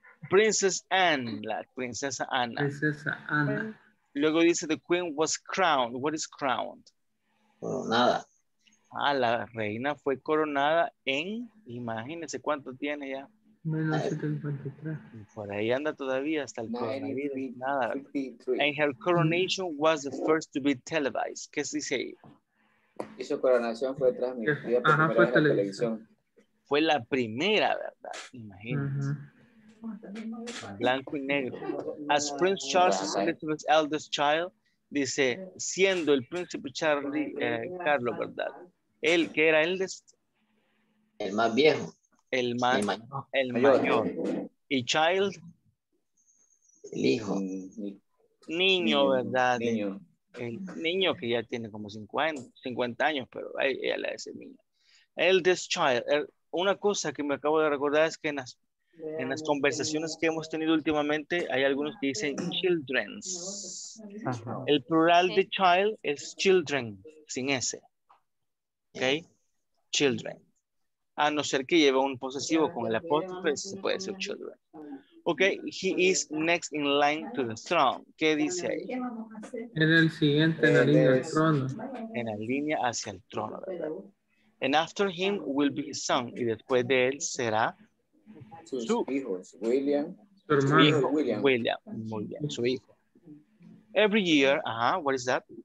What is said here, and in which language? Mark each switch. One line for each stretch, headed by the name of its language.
Spanish: Princess Anne, la princesa Ana. Princesa Ana. Luego dice,
English: the queen was crowned. What is crowned?
Spanish: Coronada. Ah, la reina fue coronada en, imagínense cuánto tiene ya. Menos 73. Por ahí anda todavía hasta el coronavirus. Nada.
English: And her coronation was the first to be televised.
Spanish: ¿Qué se dice ahí? Y su coronación fue transmitida por primera vez en la televisión. Fue la primera, ¿verdad? Imagínense. Uh-huh. Blanco y negro.
English: As Prince Charles is Elizabeth's eldest child,
Spanish: dice, siendo el príncipe Charlie, Carlos, ¿verdad? El que era el de... El más viejo. El más el mayor. Mayor. Y child. El hijo. Niño, ¿verdad? Niño. El niño que ya tiene como 50 años, pero ella le dice niño.
English: Eldest child.
Spanish: Una cosa que me acabo de recordar es que en las conversaciones que hemos tenido últimamente, hay algunos que dicen children's. Ajá. El plural de child es children, sin S. ¿Ok? Children. A no ser que lleve un posesivo con el apóstrofe, se puede decir children. ¿Ok?
English: He is next in line to the throne.
Spanish: ¿Qué dice ahí? Es el siguiente en la línea del trono. En la línea hacia el trono, ¿verdad?
English: And after him will be his son.
Spanish: Y después de él será... Sus hijos, William. Su hermano. Hijo, William. Muy bien, su hijo.
English: Every year, what is that?